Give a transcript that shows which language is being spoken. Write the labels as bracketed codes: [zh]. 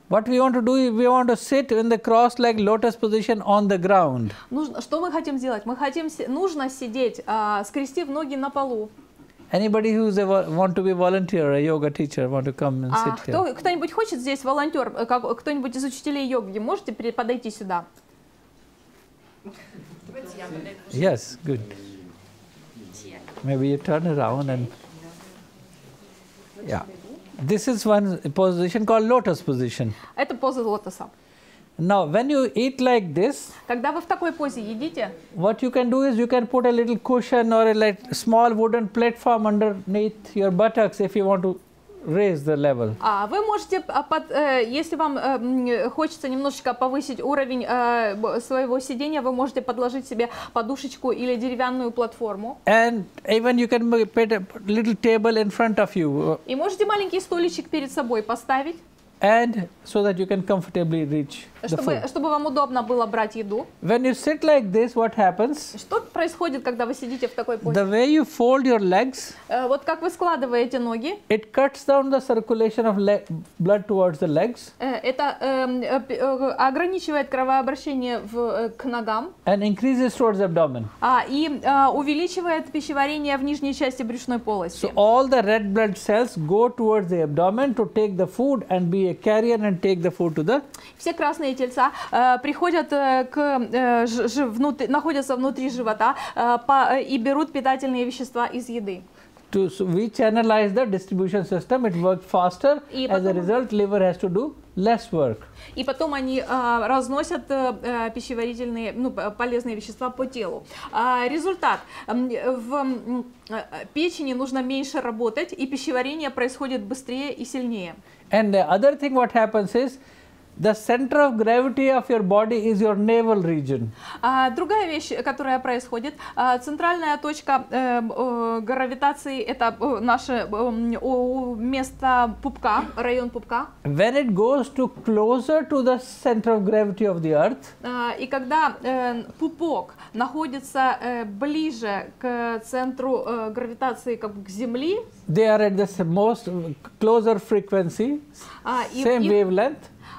[en] What we want to do is we want to sit in the cross-legged lotus position on the ground. [ru] Что мы хотим сделать? Нужно сидеть, скрестив ноги на полу. [en] Anybody who want to be a volunteer, a yoga teacher, want to come and sit here? [ru] Кто-нибудь хочет здесь волонтер? Кто-нибудь из учителей йоги? Можете подойти сюда? [en] Yes, good. Maybe you turn around and yeah, this is one position called lotus position. [ru] Это поза лотоса. [en] Now, when you eat like this, [ru] когда вы в такой позе едите, [en] what you can do is you can put a little cushion or a like small wooden platform underneath your buttocks if you want to raise the level. [ru] Вы можете если вам хочется немножечко повысить уровень своего сидения, вы можете подложить себе подушечку или деревянную платформу. [en] And even you can put a little table in front of you. [ru] И можете маленький столичек перед собой поставить. [en] And so that you can comfortably reach the food. [ru] Чтобы вам удобно было брать еду. [en] When you sit like this, what happens? [ru] Что происходит, когда вы сидите в такой позе? [en] The way you fold your legs. [ru] Вот как вы складываете ноги. [en] It cuts down the circulation of blood towards the legs. [ru] Это ограничивает кровообращение к ногам. [en] And increases towards the abdomen. [ru] Увеличивает пищеварение в нижней части брюшной полости. [en] So all the red blood cells go towards the abdomen to take the food and be a carrier and take the food to the. [ru] Все красные тельца приходят к находятся внутри живота и берут питательные вещества из еды. [en] To so we channelize the distribution system, it works faster. As a result, liver has to do less work. [ru] И потом они разносят пищеварительные, ну, полезные вещества по телу. Результат. В печени нужно меньше работать, и пищеварение происходит быстрее и сильнее. [en] And the other thing what happens is, the center of gravity of your body is your navel region. [ru] Другая вещь, которая происходит, центральная точка гравитации – это наше место пупка, район пупка. [en] When it goes to closer to the center of gravity of the earth. [ru] И когда пупок находится ближе к центру гравитации, как бы к Земле. [en] They are at the most closer frequency, same wavelength.